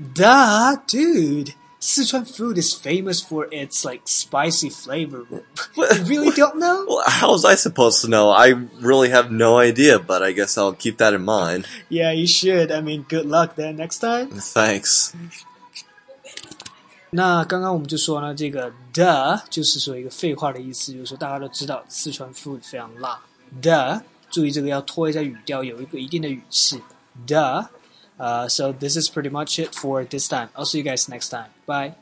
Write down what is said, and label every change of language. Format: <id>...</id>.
<en>Duh, dude. Sichuan food is famous for its, like, spicy flavor. What? You really don't know? Well, how was I supposed to know? I really have no idea, but I guess I'll keep that in mind. Yeah, you should. I mean, good luck then next time. Thanks.</en> <zh>那刚刚我们就说呢，这个 duh 就是说一个废话的意思，就是说大家都知道四川 food 非常辣。 duh 注意这个要拖一下语调，有一个一定的语气。</zh> <en>duh So this is pretty much it for this time. I'll see you guys next time. Bye.</en>